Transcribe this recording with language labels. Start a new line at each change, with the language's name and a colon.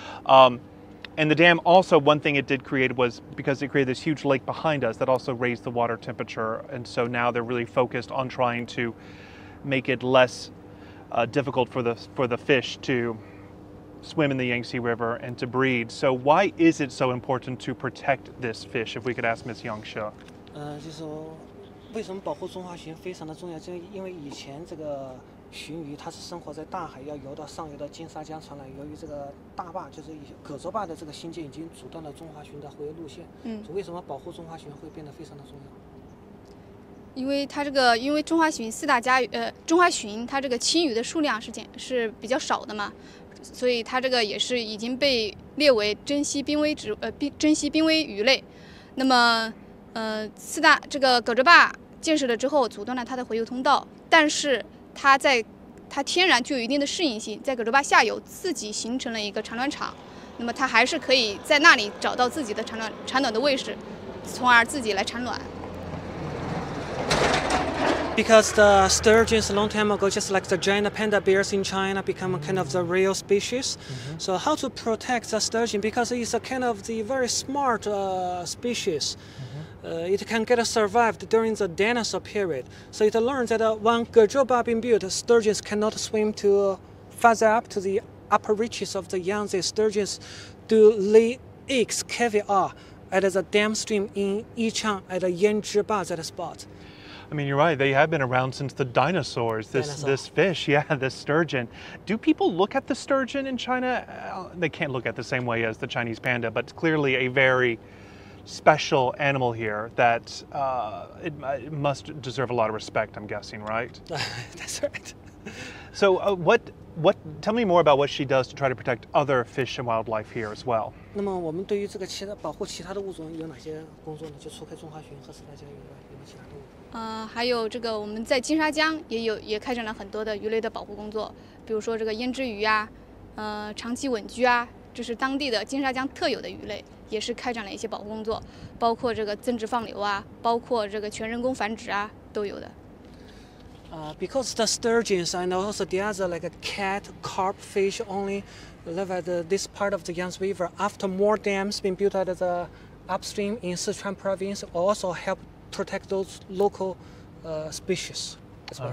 English: And the dam also, one thing it did create was, because it created this huge lake behind us that also raised the water temperature. And so now they're really focused on trying to make it less difficult for the fish to swim in the Yangtze River and to breed. So why is it so important to protect this fish, if we could ask Ms. Yangsha?
Chinese: 就是为什么保护中华鲟非常的重要，就因为以前这个鲟鱼它是生活在大海，要游到上游的金沙江船来，由于这个大坝，就是葛洲坝的这个兴建已经阻断了中华鲟的回游路线。嗯，为什么保护中华鲟会变得非常的重要？因为中华鲟四大家鱼，中华鲟它这个青鱼的数量是比较少的嘛，所以它这个也是已经被列为珍稀濒危鱼类。那么四大这个葛洲坝建设了之后，阻断了它的回游通道，但是它天然具有一定的适应性，在葛洲坝下游自己形成了一个产卵场，那么它还是可以在那里找到自己的产卵的位置，从而自己来产卵。
English: Because the sturgeons a long time ago, just like the giant panda bears in China, become kind of the real species. Mm-hmm. So how to protect the sturgeon? Because it's a kind of the very smart species. Mm-hmm. It can get survived during the dinosaur period. So it learns that when Gezhou Ba being built, sturgeons cannot swim to farther up to the upper reaches of the Yangtze. Sturgeons do lay eggs, caviar, at the downstream in Yichang at the Yangtze Ba, that spot. I mean, you're right. They have been around since the dinosaurs. This fish, yeah, this sturgeon. Do people look at the sturgeon in China? They can't look at it the same way as the Chinese panda, but it's clearly a very special animal here that it must deserve a lot of respect, I'm guessing, right? That's right. So what? Tell me more about what she does to try to protect other fish and wildlife here as well.
Chinese: 那么我们对于这个保护其他的物种有哪些工作呢？就除开中华鲟和四大家鱼外，有没有其他动物？还有这个，我们在金沙江也开展了很多的鱼类的保护工作，比如说这个胭脂鱼啊，长期稳居啊，这是当地的金沙江特有的鱼类，也是开展了一些保护工作，包括这个增殖放流啊，包括这个全人工繁殖啊，都有的。
English: Because the sturgeons and also the other like cat, carp, fish only live at this part of the Yangtze River. After more dams been built at the upstream in Sichuan Province, also helpprotect those local species as well.